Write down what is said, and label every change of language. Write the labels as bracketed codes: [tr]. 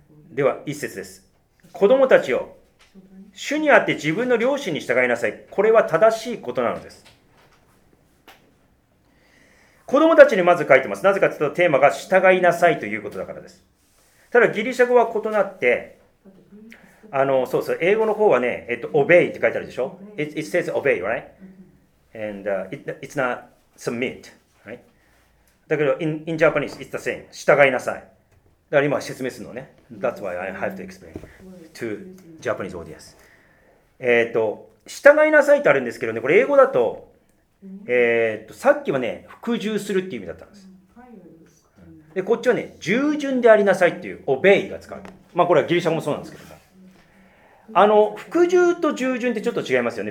[ja] では一節です。子供たちよ、主にあって自分の両親に従いなさい、これは正しいことなのです。子供たちにまず書いてます。なぜかというとテーマが従いなさいということだからです。ただギリシャ語は異なって、そうそう、英語の方はね、obey って書いてあるでしょ。 [en] it says obey, right? and it's not submit, [ja] だけど [en] in Japanese it's the same, 従いなさい。 [ja] だから今説明するのね。 [en] That's why I have to explain to Japanese audience。 [ja] 従いなさいってあるんですけどね、これ英語だと、さっきはね、服従するっていう意味だったんです。でこっちはね、従順でありなさいっていう obey が使う。まあこれはギリシャ語もそうなんですけど、服従と従順ってちょっと違いますよね。